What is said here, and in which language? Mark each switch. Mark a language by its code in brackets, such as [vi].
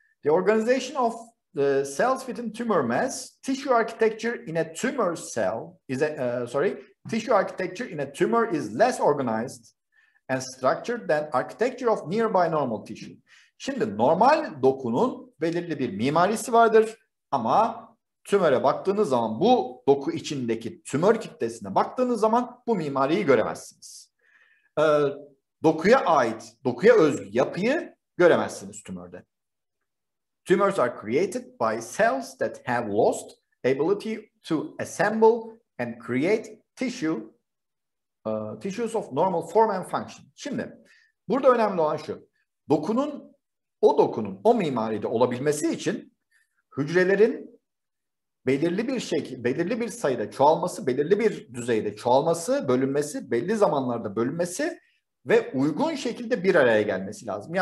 [en] The organization of the cells within tumor mass, tissue architecture in a tumor cell is a, tissue architecture in a tumor is less organized and structured than architecture of nearby normal tissue. [tr] Şimdi normal dokunun belirli bir mimarisi vardır ama tümöre baktığınız zaman, bu doku içindeki tümör kitlesine baktığınız zaman bu mimariyi göremezsiniz. Dokuya ait, dokuya özgü yapıyı göremezsiniz tümörde. [en] Tumors are created by cells that have lost ability to assemble and create tissue, tissues of normal form and function. [tr] Şimdi burada önemli olan şu, dokunun, o dokunun, o mimaride olabilmesi için hücrelerin belirli bir şekil, belirli bir sayıda çoğalması, belirli bir düzeyde çoğalması, bölünmesi, belli zamanlarda bölünmesi ve uygun şekilde bir araya gelmesi lazım.